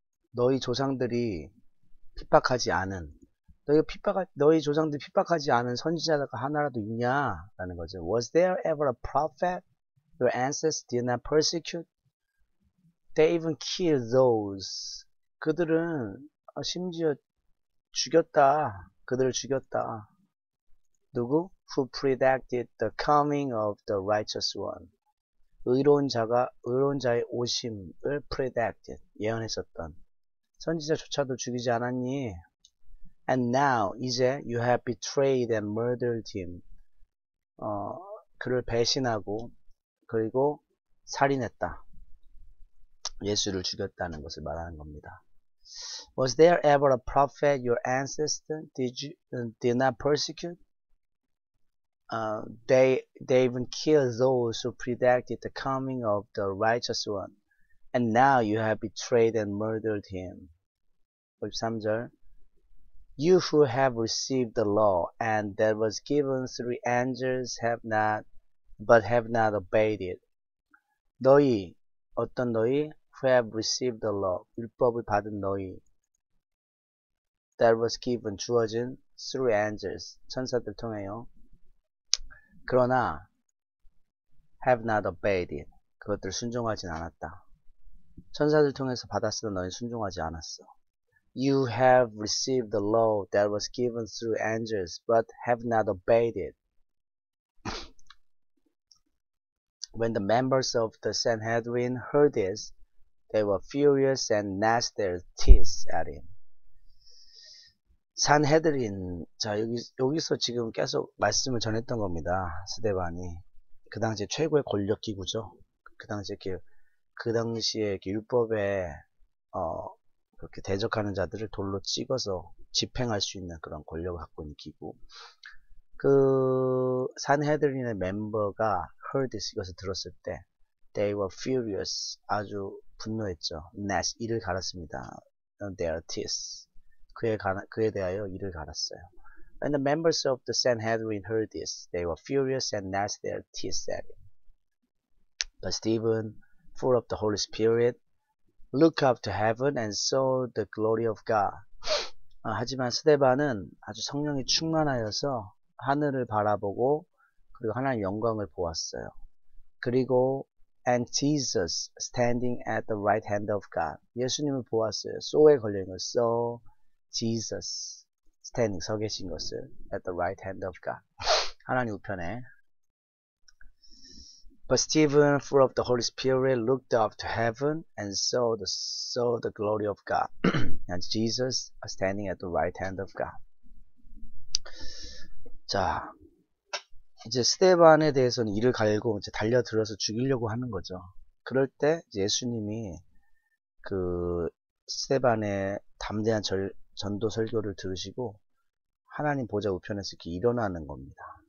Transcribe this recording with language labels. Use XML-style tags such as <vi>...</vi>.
<ko>너희 조상들이 핍박하지 않은 너희 조상들 핍박하지 않은 선지자가 하나라도 있냐? 라는 거죠.</ko> <en>Was there ever a prophet your ancestors did not persecute? They even killed those.</en> <ko>그들은 심지어 죽였다. 그들을 죽였다. 누구?</ko> <en>Who predicted the coming of the righteous one?</en> <ko>의로운 자가 의로운 자의 오심을</ko> <en>predicted</en> <ko>예언했었던 선지자조차도 죽이지 않았니?</ko> <en>And now</en> <ko>이제</ko> <en>you have betrayed and murdered him.</en> <ko>그를 배신하고 그리고 살인했다. 예수를 죽였다는 것을 말하는 겁니다.</ko> <en>Was there ever a prophet your ancestor did not persecute? They even killed those who predicted the coming of the righteous one. And now you have betrayed and murdered him.</en> <ko>53절.</ko> <en>You who have received the law and that was given through angels have not obeyed it.</en> <ko>너희, 어떤 너희?</ko> <en>Who have received the law,</en> <ko>율법을 받은 너희.</ko> <en>That was given,</en> <ko>주어진</ko> <en>through angels,</en> <ko>천사들 통해요. 그러나</ko> <en>have not obeyed it,</en> <ko>그것들을 순종하진 않았다. 천사들 통해서 받았으나 너희는 순종하지 않았어.</ko> <en>You have received the law that was given through angels, but have not obeyed it. When the members of the Sanhedrin heard this, they were furious and gnashed their teeth at him.</en> <ko>Sanhedrin, 자, 여기서 지금 계속 말씀을 전했던 겁니다. 스데반이. 그 당시에 최고의 권력기구죠. 그 당시에 율법에, 그렇게 대적하는 자들을 돌로 찍어서 집행할 수 있는 그런 권력을 갖고 있는 기구. 그, 산헤드린의 멤버가</ko> <en>heard this,</en> <ko>이것을 들었을 때,</ko> <en>they were furious,</en> <ko>아주 분노했죠.</ko> <en>gnash,</en> <ko>이를 갈았습니다.</ko> <en>their teeth.</en> <ko>그에 대하여 이를 갈았어요.</ko> <en>And the members of the Sanhedrin heard this. They were furious and gnashed their teeth at him. But Stephen, full of the Holy Spirit, looked up to heaven and saw the glory of God.</en> <ko>하지만 스데반은 아주 성령이 충만하여서 하늘을 바라보고 그리고 하나님의 영광을 보았어요. 그리고</ko> <en>and Jesus standing at the right hand of God.</en> <ko>예수님을 보았어요.</ko> <en>saw</en> <ko>에 걸려있는 것을</ko> <en>saw Jesus standing</en> <ko>서 계신 것을</ko> <en>at the right hand of God.</en> <ko>하나님 우편에.</ko> <en>But Stephen, full of the Holy Spirit, looked up to heaven and saw the glory of God. and Jesus standing at the right hand of God.</en> <ko>자, 이제 스데반에 대해서는 이를 갈고 이제 달려들어서 죽이려고 하는 거죠. 그럴 때 예수님이 그 스데반의 담대한 전도 설교를 들으시고 하나님 보좌 우편에서 이렇게 일어나는 겁니다.</ko>